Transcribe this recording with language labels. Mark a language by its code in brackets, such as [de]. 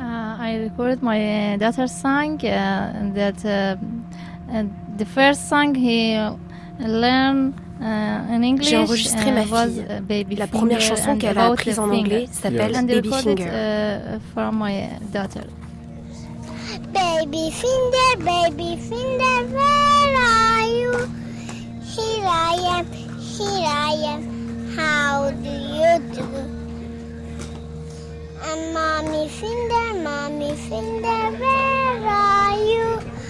[en] I recorded my daughter's song. The first song he learned in English. [fr] J'ai enregistré ma fille. [en] Baby [fr] la première chanson qu'elle a apprise en anglais s'appelle [en] and Baby Finger. For my daughter. Baby finger, baby finger, where are you? Here I am, here I am. How do you do? And mommy finger, where are you?